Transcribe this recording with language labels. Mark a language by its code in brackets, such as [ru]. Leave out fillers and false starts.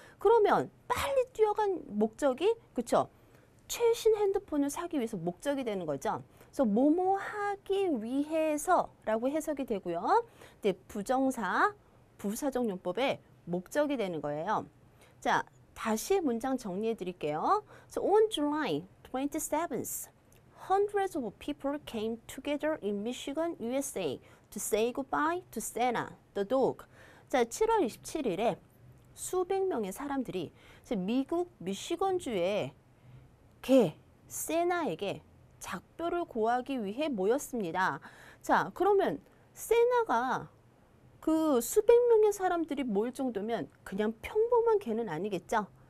[ko] 그러면 빨리 뛰어간 목적이, 그쵸? 최신 핸드폰을 사기 위해서 목적이 되는 거죠. 그래서 뭐뭐 하기 위해서 라고 해석이 되고요. 네, 부정사, 부사정용법의 목적이 되는 거예요. 자, 다시 문장 정리해 드릴게요. [en] So on July 27th, hundreds of people came together in Michigan, USA to say goodbye to Senna, the dog. [ko] 자, 7월 27일에 수백 명의 사람들이 미국 미시건주에 개, 세나에게 작별을 고하기 위해 모였습니다. 자, 그러면 세나가 그 수백 명의 사람들이 모일 정도면 그냥 평범한 개는 아니겠죠?